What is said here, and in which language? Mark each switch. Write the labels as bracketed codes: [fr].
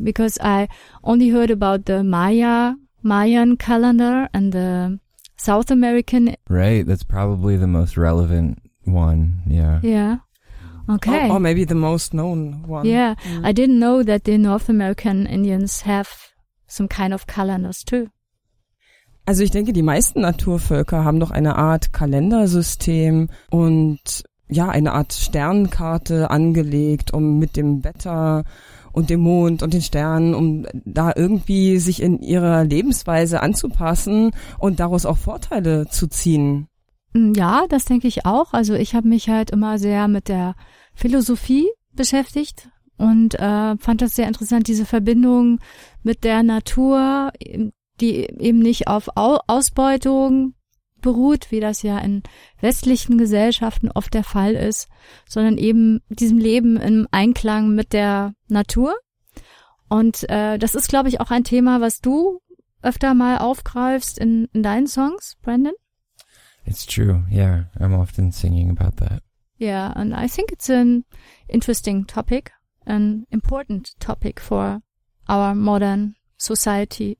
[en] Because I only heard about the Mayan calendar and the South American. Right. That's probably the most relevant one. Yeah. Yeah. Okay. Or maybe the most known one. Yeah. Mm. I didn't know that the North American Indians have some kind of calendars too. [de] Also ich denke, die meisten Naturvölker haben doch eine Art Kalendersystem und ja, eine Art Sternkarte angelegt, um mit dem Wetter und dem Mond und den Sternen, um da irgendwie sich in ihrer Lebensweise anzupassen und daraus auch Vorteile zu ziehen. Ja, das denke ich auch. Also ich habe mich halt immer sehr mit der Philosophie beschäftigt und fand das sehr interessant, diese Verbindung mit der Natur, die eben nicht auf Ausbeutung beruht, wie das ja in westlichen Gesellschaften oft der Fall ist, sondern eben diesem Leben im Einklang mit der Natur. Und das ist, glaube ich, auch ein Thema, was du öfter mal aufgreifst in deinen Songs, Brandon. [en] It's true, yeah. I'm often singing about that. Yeah, and I think it's an interesting topic, an important topic for our modern society.